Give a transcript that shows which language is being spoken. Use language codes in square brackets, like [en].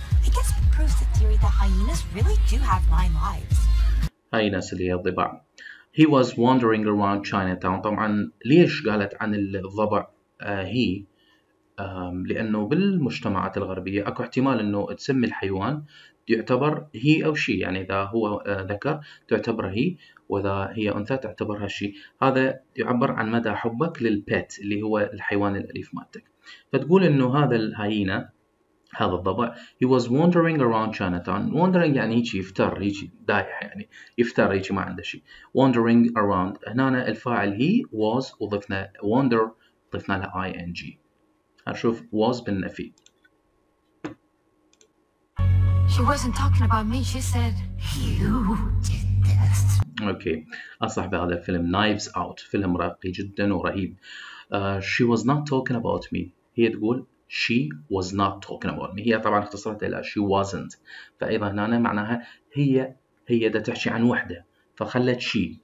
[en] I guess it proves the theory that hyenas really do have nine lives. Hyenas [ar] اللي هي الضبع. [en] He was wandering around Chinatown. [ar] طبعا ليش قالت عن الضبع هي؟ لأنه بالمجتمعات الغربية أكو احتمال أنه تسمي الحيوان يعتبر هي أو شي. يعني إذا هو ذكر تعتبر هي وإذا هي أنثى تعتبرها شي. هذا يعبر عن مدى حبك للبيت اللي هو الحيوان الأليف مالتك. فتقول إنه هذا الهينة هذا الضبع [en] he was wandering around Chinatown. [ar] wandering يعني هيك يفتر هيك دايح يعني يفتر هيك ما عنده شيء. [en] wandering around [ar] هنا أنا الفاعل he was وضفنا wander ضفنا لها ing. هنشوف was بالنفي. [en] she wasn't talking about me she said you did this. [ar] okay أصح بهذا الفيلم knives out فيلم راقي جدا ورهيب. [en] she was not talking about me. [ar] هي تقول [en] she was not talking about me. [ar] هي طبعا اختصرت إلى [en] she wasn't. [ar] فأيضا هنا معناها هي دا تحشي عن وحدة فخلت she.